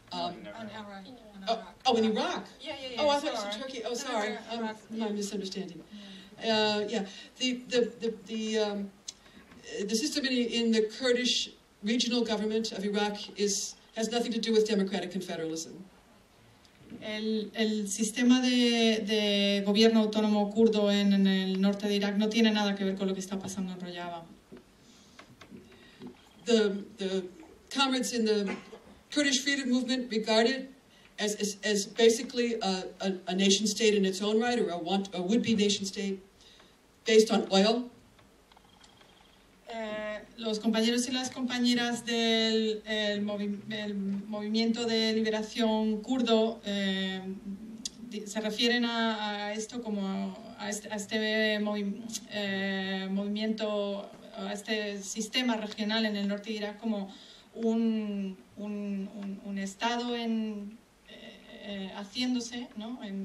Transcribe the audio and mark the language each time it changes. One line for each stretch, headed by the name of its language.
English: In Iraq. Iraq. Yeah. Oh, I thought it was in Turkey. Oh, sorry, my misunderstanding. Yeah. The system in the Kurdish regional government of Iraq has nothing to do with democratic confederalism.
Spanish: El sistema de gobierno autónomo kurdo en el norte de Irak no tiene nada que ver con lo que está pasando en Rojava.
English: The comrades in the Kurdish freedom movement regard it as basically a nation state in its own right, or a would-be nation state based on oil.
Spanish: Los compañeros y las compañeras del el movimiento de liberación kurdo se refieren a esto como a este sistema regional en el norte de Irak como un estado en haciéndose, ¿no?